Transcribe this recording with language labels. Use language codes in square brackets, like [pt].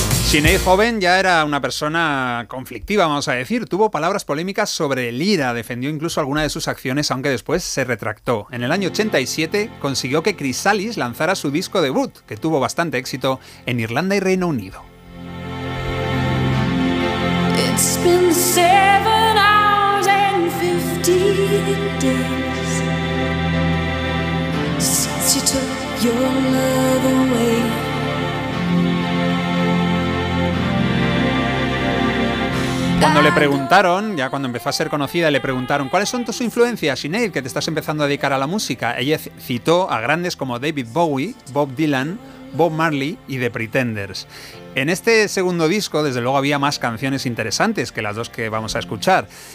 [es] Sinead joven ya era una persona conflictiva, vamos a decir. Tuvo palabras polémicas sobre el IRA. Defendió incluso alguna de sus acciones, aunque después se retractó. En el año 87 consiguió que Chrysalis lanzara su disco debut, que tuvo bastante éxito en Irlanda y Reino Unido. [en] It's been 7 hours and 15 days since you took your love away. [es] Cuando le preguntaron, ya cuando empezó a ser conocida, le preguntaron ¿cuáles son tus influencias, Sinead, que te estás empezando a dedicar a la música? Ella citó a grandes como David Bowie, Bob Dylan, Bob Marley y The Pretenders. En este segundo disco, desde luego, había más canciones interesantes que las dos que vamos a escuchar.